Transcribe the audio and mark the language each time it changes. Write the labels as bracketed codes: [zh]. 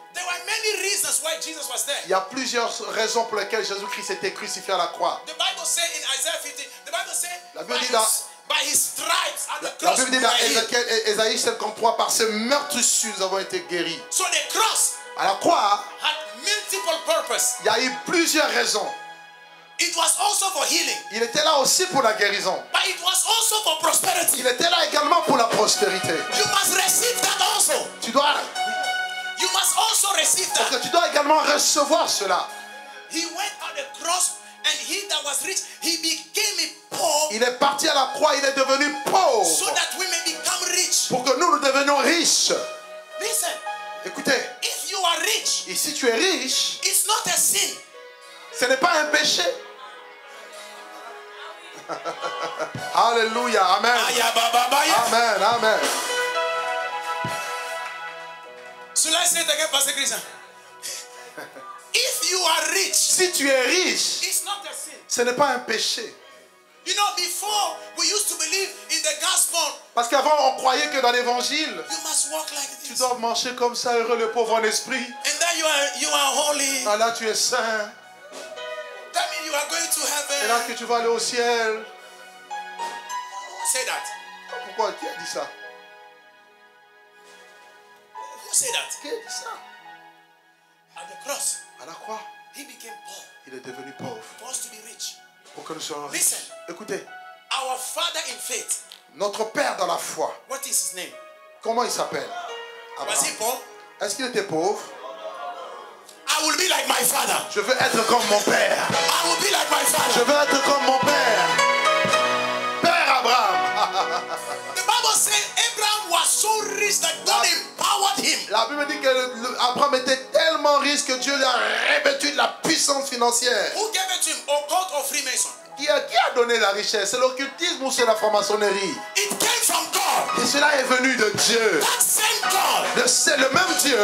[en] There were many reasons why Jesus was there. [fr] Il y a plusieurs raisons pour lesquelles Jésus-Christ était crucifié à la croix. [en] The Bible says in Isaiah 50. The Bible says. [fr] La Bible dit là. [en] By his stripes at the cross. [fr] La Bible dit là. Esaïe 53. Par ses meurtres sur nous avons été guéris. [en] So the cross. [fr] À la croix. [en] Had multiple purpose. [fr] Il y a eu plusieurs raisons. [en] It was also for healing. [fr] Il était là aussi pour la guérison. [en] But it was also for prosperity. [fr] Il était là également pour la prospérité. [en] You must receive that also. [fr] Tu dois. [en] You must also receive that. [fr] Parce que tu dois également recevoir cela. [en] He went on the cross and he that was rich, he became poor. [fr] Il est parti à la croix, il est devenu pauvre. [en] So that we may become rich. [fr] Pour que nous devenions riches. [en] Listen. [fr] Écoutez. [en] If you are rich. [fr] Et si tu es riche. [en] It's not a sin. [fr] Ce n'est pas un péché. Alléluia. Amen. Amen. Amen. Cela c'est un passé chrétien. [en] If you are rich, [fr] si tu es riche, [en] it's not a sin. [fr] Ce n'est pas un péché. [en] You know, before we used to believe in the gospel. [fr] Parce qu'avant on croyait que dans l'évangile, [en] you must walk like this. [fr] Tu dois marcher comme ça, heureux le pauvre en esprit. [en] And then you are holy. [fr] Ah là, tu es saint. [en] That means you are going to heaven. [fr] Et là que tu vas aller au ciel. [en] Say that. [fr] Pourquoi? Qui a dit ça? [en] Who said that? [fr] Qui a dit ça? [en] At the cross. [fr] À la croix. [en] He became poor. [fr] Il est devenu pauvre. [en] For us to be rich. [fr] Pour que nous soyons riches. [en] Listen. [fr] Écoutez. [en] Our father in faith. [fr] Notre père dans la foi. [en] What is his name? [fr] Comment il s'appelle? [en] Abraham. Was he poor? [fr] Est-ce qu'il était pauvre? [en] I will be like my father. [fr] Je veux être comme mon père. [en] I will be like my father. [fr] Je veux être comme mon père. Père Abraham. [en] The Bible says Abraham was so rich that God empowered him. [fr] La Bible dit que Abraham était tellement riche que Dieu lui a revêtu de la puissance financière. [en] Who gave it to him? Occult or Freemason? [fr] Qui a donné la richesse? C'est l'occultisme ou c'est la franc-maçonnerie? [en] It came from God. [fr] Et cela est venu de Dieu. [en] That same God. [fr] C'est le même Dieu.